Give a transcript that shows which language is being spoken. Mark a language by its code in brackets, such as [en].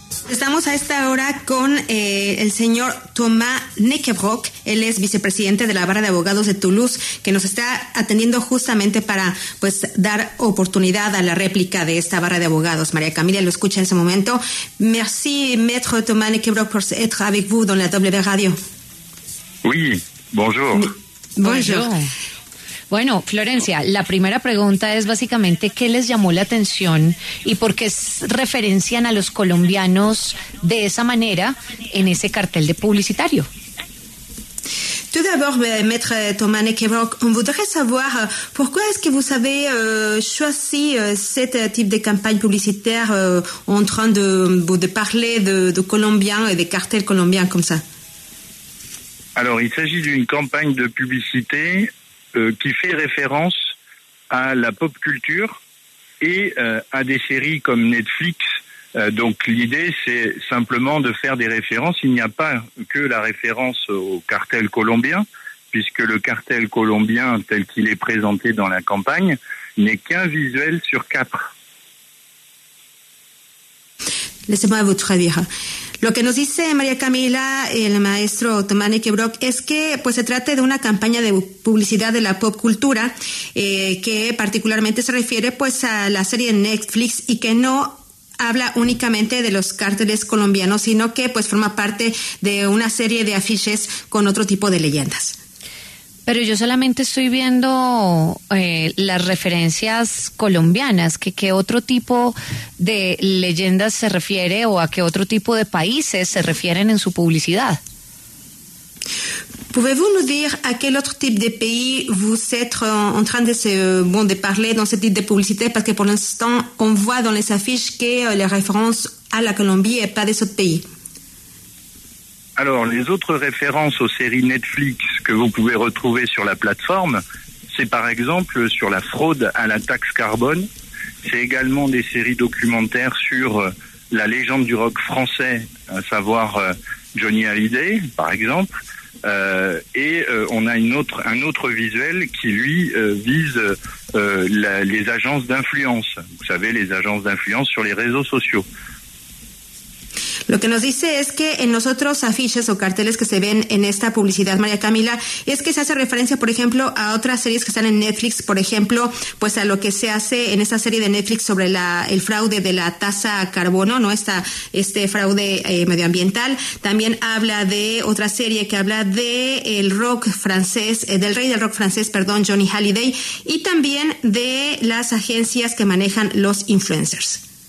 [es] Estamos a esta hora con el señor Thomas Neckebrock. Él es vicepresidente de la Barra de Abogados de Toulouse, que nos está atendiendo justamente para pues dar oportunidad a la réplica de esta Barra de Abogados. María Camila lo escucha en ese momento. [fr] Merci, maître Thomas Neckebrock, por être avec vous dans la W Radio. Oui, bonjour. Bonjour. [es] Bueno, Florencia, la primera pregunta es básicamente ¿qué les llamó la atención y por qué referencian a los colombianos de esa manera en ese cartel de publicitario? [fr] Tout d'abord, maître Thomas Neckebrock, on voudrait savoir pourquoi est-ce que vous avez choisi ce type de campagne publicitaire en train de parler de colombiens et des cartels colombiens comme ça? Alors, il s'agit d'une campagne de publicité qui fait référence à la pop culture et à des séries comme Netflix. Donc l'idée, c'est simplement de faire des références. Il n'y a pas que la référence au cartel colombien, puisque le cartel colombien tel qu'il est présenté dans la campagne n'est qu'un visuel sur quatre. Laissez-moi vous traduire. [es] Lo que nos dice María Camila y el maestro Thomas Neckebrock es que pues se trata de una campaña de publicidad de la pop cultura que particularmente se refiere pues a la serie Netflix y que no habla únicamente de los cárteles colombianos, sino que pues forma parte de una serie de afiches con otro tipo de leyendas. Pero yo solamente estoy viendo las referencias colombianas. ¿Qué otro tipo de leyendas se refiere o a qué otro tipo de países se refieren en su publicidad? [fr] Pouvez-vous nous dire à quel autre type de pays vous êtes en train de de parler dans ce type de publicité? Parce que pour l'instant, on voit dans les affiches que les références à la Colombie et pas des autres pays. Alors, les autres références aux séries Netflix que vous pouvez retrouver sur la plateforme, c'est par exemple sur la fraude à la taxe carbone. C'est également des séries documentaires sur la légende du rock français, à savoir Johnny Hallyday, par exemple. On a un autre visuel qui, lui, vise les agences d'influence. Vous savez, les agences d'influence sur les réseaux sociaux. [es] Lo que nos dice es que en los otros afiches o carteles que se ven en esta publicidad, María Camila, es que se hace referencia, por ejemplo, a otras series que están en Netflix, por ejemplo, pues a lo que se hace en esa serie de Netflix sobre el fraude de la tasa carbono, ¿no? Este fraude medioambiental. También habla de otra serie que habla del rock francés, del rey del rock francés, perdón, Johnny Hallyday, y también de las agencias que manejan los influencers.